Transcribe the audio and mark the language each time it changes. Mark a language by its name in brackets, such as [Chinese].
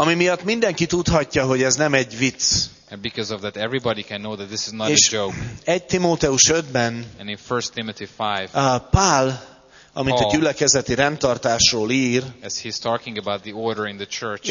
[Hungarian] Ami miatt mindenki tudhatja, hogy ez nem egy vicc. [English] And because of that, everybody can know that this is not [Hungarian] és [English] a joke. [Hungarian] 1 Timóteus 5-ben, [English] and in 1 Timothy 5, [Hungarian] Pál, amit Paul, a gyülekezeti rendtartásról ír, [English] as he's talking about the order in the church,